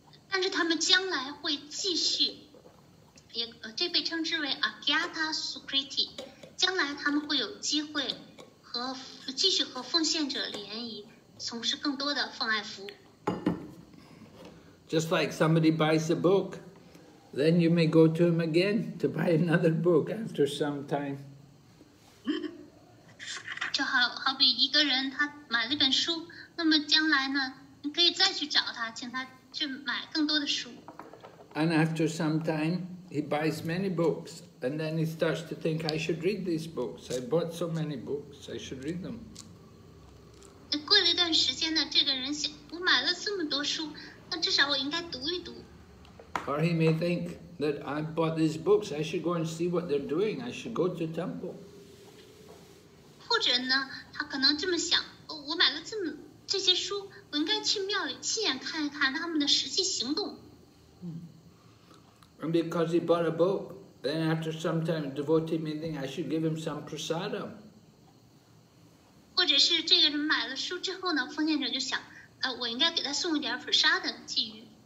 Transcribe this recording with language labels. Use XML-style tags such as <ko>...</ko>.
<zh>但是他们将来会继续, 这被称之为 Agyata Sukriti, 将来他们会有机会和继续和奉献者联谊, 从事更多的奉爱服务。</zh> <en>Just like somebody buys a book, then you may go to him again to buy another book after some time.</en> <zh>就好比一个人他买了一本书, 那么将来呢, 你可以再去找他, 请他去买更多的书。</zh> <en>And after some time, he buys many books, and then he starts to think, I should read these books. I bought so many books, I should read them.</en> <zh>过了一段时间呢, 这个人想, 我买了这么多书, 那至少我应该读一读。</zh> <en>Or he may think that I bought these books, I should go and see what they're doing, I should go to the temple.</en> <zh>或者呢,他可能这么想,我买了这些书,我应该去庙里亲眼看一看他们的实际行动。</zh> <en>And because he bought a book, then after some time a devotee may think, I should give him some prasadam.</en> <zh>或者是这个人买了书之后呢,奉献者就想,我应该给他送一点prasadam寄予。</zh>